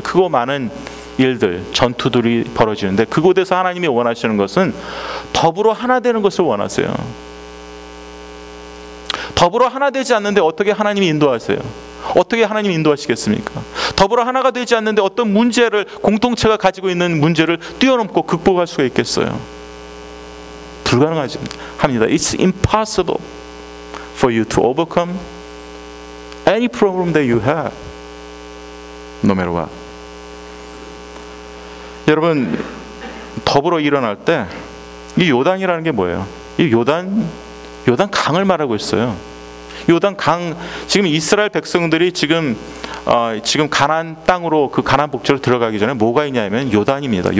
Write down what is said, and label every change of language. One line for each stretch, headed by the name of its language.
Korean: 크고 많은 일들, 전투들이 벌어지는데 그곳에서 하나님이 원하시는 것은 더불어 하나 되는 것을 원하세요. 더불어 하나 되지 않는데 어떻게 하나님이 인도하세요? 어떻게 하나님 인도하시겠습니까? 더불어 하나가 되지 않는데 어떤 문제를, 공동체가 가지고 있는 문제를 뛰어넘고 극복할 수가 있겠어요? 불가능합니다.
English: It's impossible for you to overcome any problem that you have, no matter what.
Korean: 여러분, 더불어 일어날 때 이 요단이라는 게 뭐예요? 이 요단 강을 말하고 있어요. 요단 강, 지금 이스라엘 백성들이 지금 가나안 땅으로, 그 가나안 복지로 들어가기 전에 뭐가 있냐면 요단입니다.